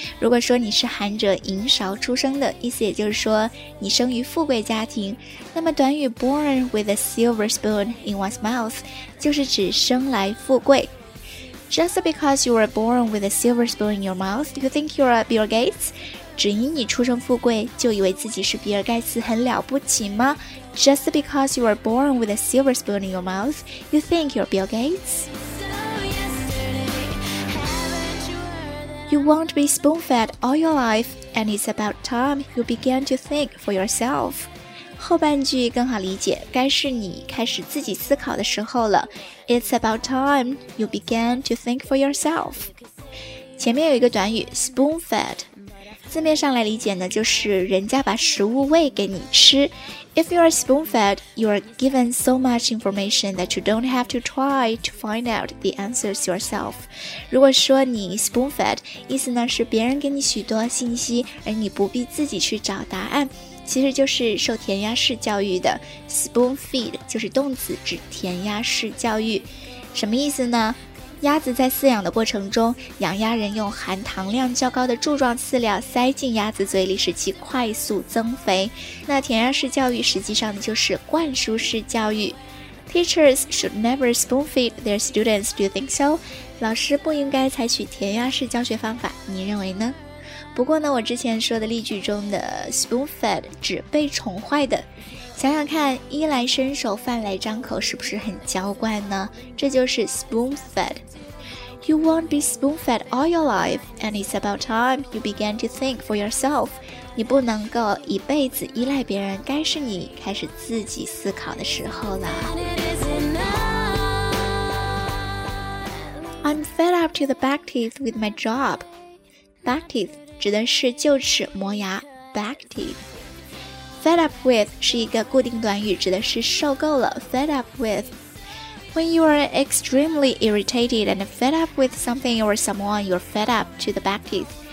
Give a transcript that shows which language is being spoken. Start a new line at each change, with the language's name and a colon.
Chinese: 如果说你是含着银勺出生的，意思也就是说你生于富贵家庭，那么短语
English: born with a silver spoon in one's mouth
Chinese: 就是指生来富贵。
English: Just because you were born with a silver spoon in your mouth, you think you are Bill Gates?
Chinese: 只因你出生富贵，就以为自己是比尔盖茨很了不起吗？
English: Just because you were born with a silver spoon in your mouth, you think you're Bill Gates? You won't be spoon-fed all your life, and it's about time you began to think for yourself.
Chinese: 后半句更好理解，该是你开始自己思考的时候了。
English: It's about time you began to think for yourself.
Chinese: 前面有一个短语 spoon-fed. 字面上来理解呢，就是人家把食物喂给你吃。
English: If you are spoon-fed, you are given so much information that you don't have to try to find out the answers yourself.
Chinese: 如果说你 spoon-fed, 意思呢是别人给你许多信息，而你不必自己去找答案。其实就是受填鸭式教育的 spoon-feed 就是动词，指填鸭式教育。什么意思呢？鸭子在饲养的过程中，养鸭人用含糖量较高的柱状饲料塞进鸭子嘴里，使其快速增肥。那填鸭式教育实际上就是灌输式教育。
English: Teachers should never spoon feed their students, do you think so?
Chinese: 老师不应该采取填鸭式教学方法，你认为呢？不过呢，我之前说的例句中的 spoon fed 指被宠坏的。想想看，衣来伸手，饭来张口，是不是很娇惯呢？这就是 spoon fed。
English: You won't be spoon fed all your life, and it's about time you began to think for yourself.
Chinese: 你不能够一辈子依赖别人，该是你开始自己思考的时候了。
English: I'm fed up to the back teeth with my job.
Chinese: Back teeth 指的是臼齿磨牙 ，back teeth。
English: Fed up with
Chinese: 是一个固定短语，指的是受够了。Fed up with.
English: When you are extremely irritated and fed up with something or someone, you're fed up to the back teeth.